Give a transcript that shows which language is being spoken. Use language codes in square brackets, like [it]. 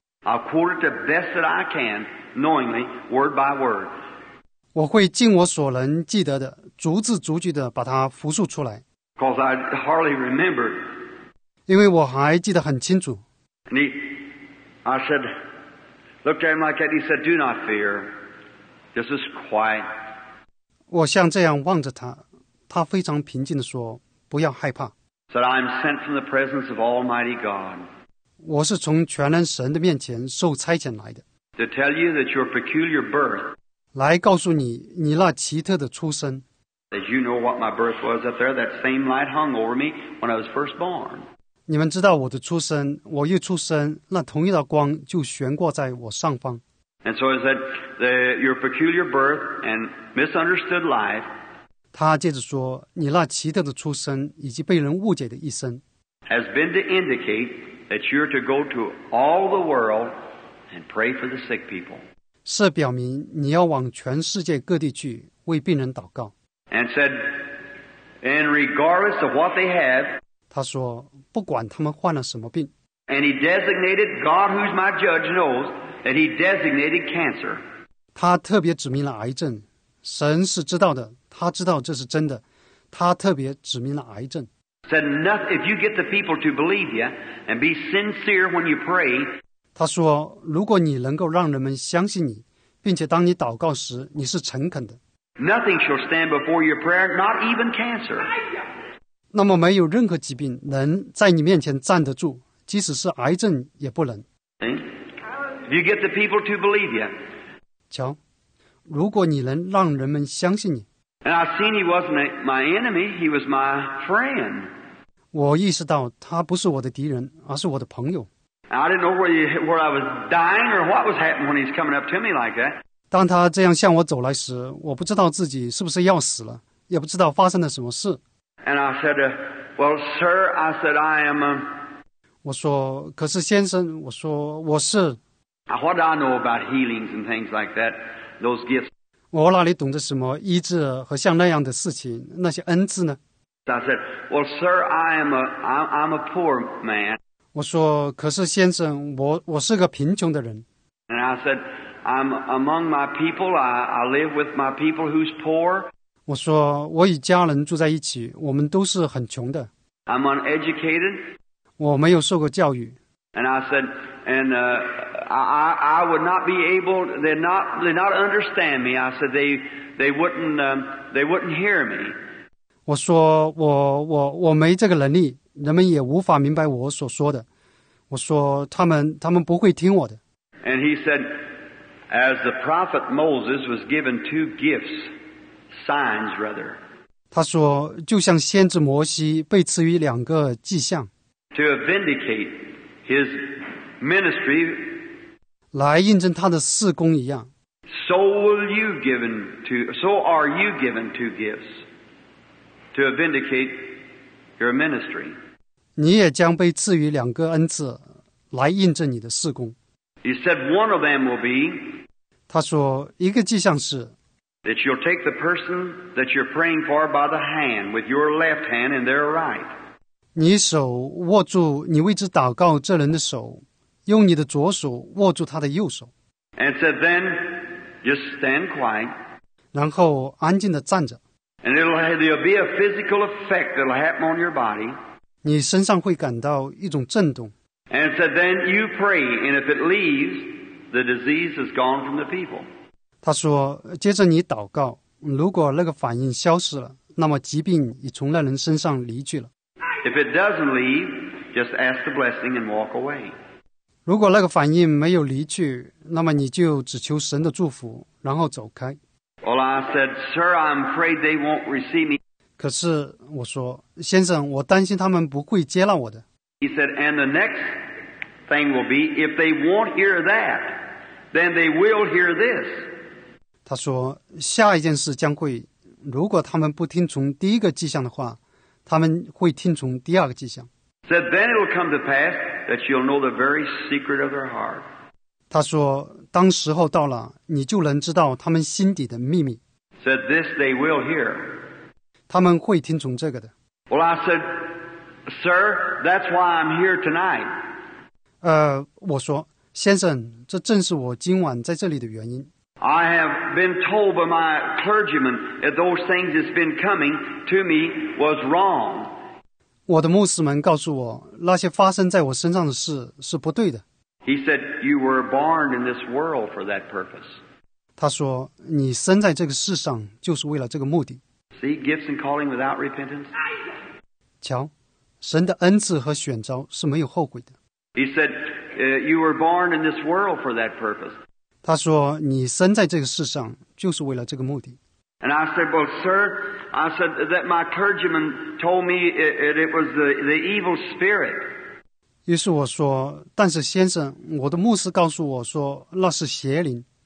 [en] I'll quote it the best that I can, knowingly, word by word. [zh] 我会尽我所能记得的，逐字逐句的把它复述出来。 [en] Because I hardly remember. [zh] 因为我还记得很清楚。 [en] And I said, looked at him like that, he said, do not fear. This is quiet. [zh] 我像这样望着他。他非常平静地说，不要害怕。 [en] Said, I'm sent from the presence of Almighty God. [zh] 我是从全能神的面前受差遣来的。 [en] To tell you that your peculiar birth. [zh] 来告诉你，你那奇特的出生。 [en] As you know what my birth was up there, that same light hung over me when I was first born. [zh] 你们知道我的出生，我一出生，那同一道光就悬挂在我上方。 [en] And so is that your peculiar birth and misunderstood life. [zh] 他接着说，你那奇特的出生以及被人误解的一生 [en] has been to indicate that you're to go to all the world and pray for the sick people. [zh] 是表明你要往全世界各地去为病人祷告。 [en] And said, and regardless of what they have, [zh] 他说不管他们患了什么病。 [en] And he designated, God who's my judge knows, that he designated cancer. [zh] 他特别指明了癌症，神是知道的。他知道这是真的，他特别指明了癌症。 [en] Said enough if you get the people to believe you and be sincere when you pray. [zh] 他说，如果你能够让人们相信你，并且当你祷告时你是诚恳的。 [en] Nothing shall stand before your prayer, not even cancer. [zh] 那么没有任何疾病能在你面前站得住，即使是癌症也不能。 [en] If you get the people to believe you. [zh] 瞧，如果你能让人们相信你。 [en] And I seen he wasn't my enemy, he was my friend. [zh] 我意识到他不是我的敌人，而是我的朋友。 [en] And I didn't know where I was dying or what was happening when he's coming up to me like that. [zh] 当他这样向我走来时，我不知道自己是不是要死了，也不知道发生了什么事。 [en] And I said, well, sir, I said, I am a... [zh] 我说，可是先生，我说，我是。 [en] Now, what do I know about healings and things like that, those gifts? [zh] 我哪里懂得什么医治和像那样的事情，那些恩赐呢？ [en] I said, well, sir, I'm a poor man. [zh] 我说，可是先生，我是个贫穷的人。 [en] And I said, I'm among my people. I live with my people who's poor. [zh] 我说，我与家人住在一起，我们都是很穷的。 [en] I'm uneducated. [zh] 我没有受过教育。 [en] And I said, and I would not be able, they not understand me. I said, they wouldn't hear me. [zh] 我说我没这个能力，人们也无法明白我所说的。我说他们不会听我的。 [en] And he said, as the prophet Moses was given two gifts, signs rather. [zh] 他说，就像先知摩西被赐予两个迹象。 [en] To vindicate his ministry. [zh] 来印证他的事工一样。 [en] So will you given to, so are you given two gifts to vindicate your ministry. [zh] 你也将被赐予两个恩赐来印证你的事工。 [en] He said one of them will be, [zh] 他说一个迹象是 [en] that you'll take the person that you're praying for by the hand with your left hand and their right. [zh] 你手握住你为之祷告这人的手，用你的左手握住他的右手。 [en] And said then,Just stand quiet. [zh] 然后安静地站着。 [en] And there'll be a physical effect that'll happen on your body. [zh] 你身上会感到一种震动。 [en] And so then you pray, and if it leaves, the disease is gone from the people. [zh] 他说，接着你祷告，如果那个反应消失了，那么疾病已从那人身上离去了。 [en] If it doesn't leave, just ask the blessing and walk away. [zh] 如果那个反应没有离去，那么你就只求神的祝福，然后走开。 [en] Well, I said, Sir, I'm afraid they won't receive me. [zh] 可是我说，先生，我担心他们不会接纳我的。 [en] He said, and the next thing will be, if they won't hear that, then they will hear this. [zh] 他说，下一件事将会，如果他们不听从第一个迹象的话，他们会听从第二个迹象。 [en] Said, then it'll come to pass. That you'll know the very secret of their heart. [zh] 他说，当时候到了，你就能知道他们心底的秘密。 [en] Said this they will hear. [zh] 他们会听从这个的。 [en] Well, I said, Sir, that's why I'm here tonight. [zh] 我说，先生，这正是我今晚在这里的原因。 [en] I have been told by my clergyman that those things that's been coming to me was wrong. [zh] 我的牧师们告诉我，那些发生在我身上的事是不对的。 [en] He said, you were born in this world for that purpose. [zh] 他说，你生在这个世上就是为了这个目的。 [en] See, gifts and calling without repentance. [zh] 瞧，神的恩赐和选召是没有后悔的。 [en] He said, you were born in this world for that purpose. [zh] 他说，你生在这个世上就是为了这个目的。 [en] And I said, well, sir, I said that my clergyman told me it was the evil spirit. [zh] 于是我说，但是先生，我的牧师告诉我说那是邪灵。